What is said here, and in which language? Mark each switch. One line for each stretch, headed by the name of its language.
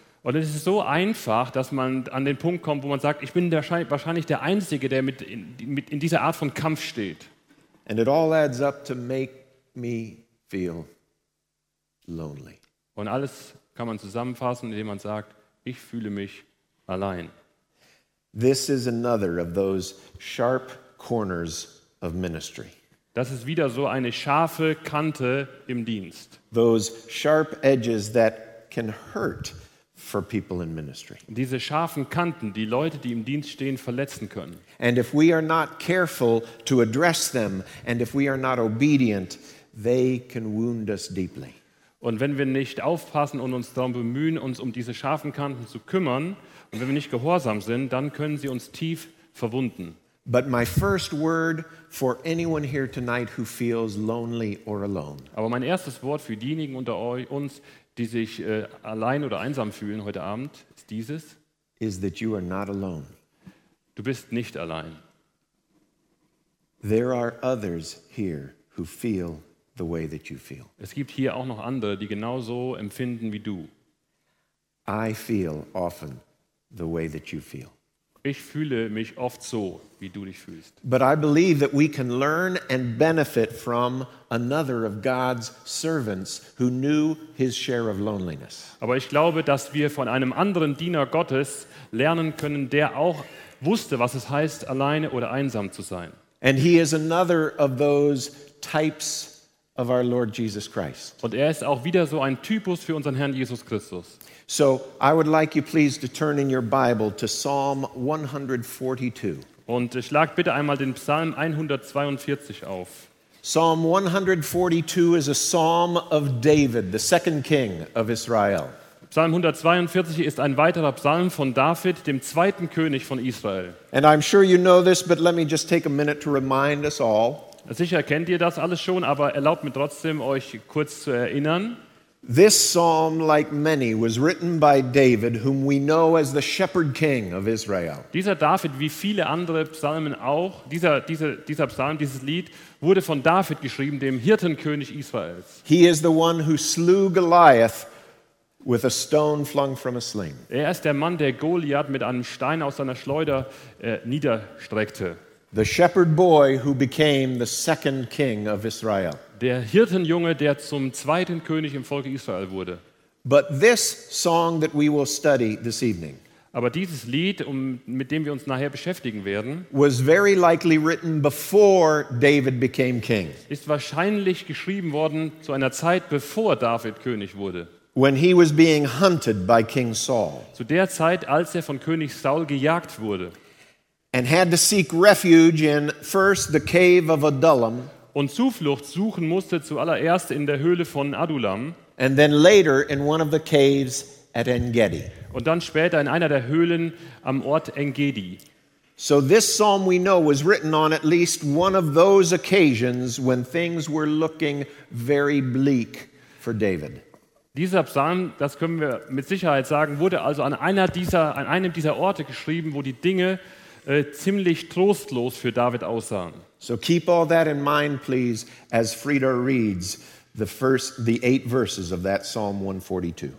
German: Und es ist so einfach, dass man an den Punkt kommt, wo man sagt, ich bin wahrscheinlich der Einzige, der mit in dieser Art von Kampf steht.
English: And it all adds up to make me feel lonely.
German: Und alles kann man zusammenfassen, indem man sagt, ich fühle mich allein.
English: This is another of those sharp corners of ministry.
German: Das ist wieder so eine scharfe Kante im Dienst.
English: Those sharp edges that can hurt for people in ministry.
German: Diese scharfen Kanten, die Leute, die im Dienst stehen, verletzen können.
English: And if we are not careful to address them, and if we are not obedient, they can wound us deeply.
German: Und wenn wir nicht aufpassen und uns darum bemühen, uns um diese scharfen Kanten zu kümmern, und wenn wir nicht gehorsam sind, dann können sie uns tief verwunden.
English: But my first word for anyone here tonight who feels lonely or alone.
German: Aber mein erstes Wort für diejenigen unter uns, die sich allein oder einsam fühlen heute Abend, ist dieses:
English: is that you are not alone.
German: Du bist nicht allein.
English: There are others here who feel the way that you feel.
German: Es gibt hier auch noch andere, die genauso empfinden wie du.
English: I feel often the way that you feel.
German: Ich fühle mich oft so, wie du dich fühlst.
English: But I believe that we can learn and benefit from another of God's servants who knew his share of loneliness.
German: Aber ich glaube, dass wir von einem anderen Diener Gottes lernen können, der auch wusste, was es heißt, alleine oder einsam zu sein.
English: And he is another of those types of our Lord Jesus Christ.
German: Und er ist auch wieder so ein Typus für unseren Herrn Jesus Christus.
English: So, I would like you please to turn in your Bible to Psalm 142.
German: Und schlag bitte einmal den Psalm 142 auf.
English: Psalm 142 is a psalm of David, the second king of Israel.
German: Psalm 142 ist ein weiterer Psalm von David, dem zweiten König von Israel.
English: And I'm sure you know this, but let me just take a minute to remind us all.
German: Sicher kennt ihr das alles schon, aber erlaubt mir trotzdem, euch kurz zu erinnern.
English: This psalm, like many, was written by David, whom we know as the Shepherd King of Israel.
German: Dieser David, wie viele andere Psalmen auch, dieser Psalm, dieses Lied, wurde von David geschrieben, dem Hirtenkönig Israels.
English: He is the one who slew Goliath with a stone flung from a sling.
German: Er ist der Mann, der Goliath mit einem Stein aus seiner Schleuder niederstreckte.
English: The shepherd boy who became the second king of Israel.
German: Der Hirtenjunge, der zum zweiten König im Volk Israel wurde.
English: But this song that we will study this evening.
German: Aber dieses Lied, mit dem wir uns nachher beschäftigen werden,
English: was very likely written before David became king.
German: Ist wahrscheinlich geschrieben worden zu einer Zeit, bevor David König wurde.
English: When he was being hunted by King Saul.
German: Zu der Zeit, als er von König Saul gejagt wurde.
English: And had to seek refuge in first the cave of Adullam.
German: Und Zuflucht suchen musste zuallererst in der Höhle von Adullam.
English: And then later in one of the caves at En-Gedi.
German: Und dann später in einer der Höhlen am Ort En-Gedi.
English: So this psalm we know was written on at least one of those occasions when things were looking very bleak for David.
German: Dieser Psalm, das können wir mit Sicherheit sagen, wurde also an einem dieser Orte geschrieben, wo die Dinge ziemlich trostlos für David aussahen.
English: So keep all that in mind, please, as Frieda reads the 8 verses of that Psalm 142.